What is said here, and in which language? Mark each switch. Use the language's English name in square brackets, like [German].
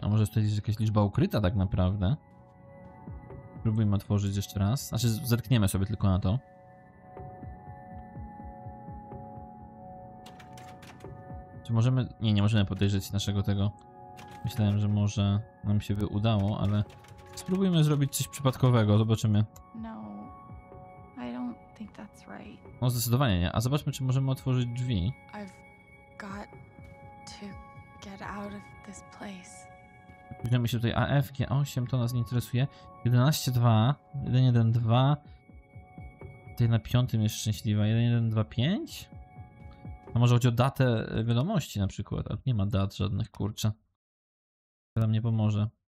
[Polish] A może tutaj jest jakaś liczba ukryta tak naprawdę? Spróbujmy otworzyć jeszcze raz. Znaczy zerkniemy sobie tylko na to. Czy możemy... Nie możemy podejrzeć naszego tego. Myślałem, że może nam się by udało, ale... Spróbujmy zrobić coś przypadkowego, zobaczymy. [English] No, I don't think that's right. [Polish] No, zdecydowanie nie. A zobaczmy, czy możemy otworzyć drzwi. [English] I've got to get out of this place. [Polish] Bierzemy się tutaj AF-kę 8, to nas nie interesuje. 11-2, 1-1-2. Tutaj na piątym jest szczęśliwa. 1-1-2-5? A może chodzi o datę wiadomości na przykład, ale nie ma dat żadnych, kurczę. To nam nie pomoże.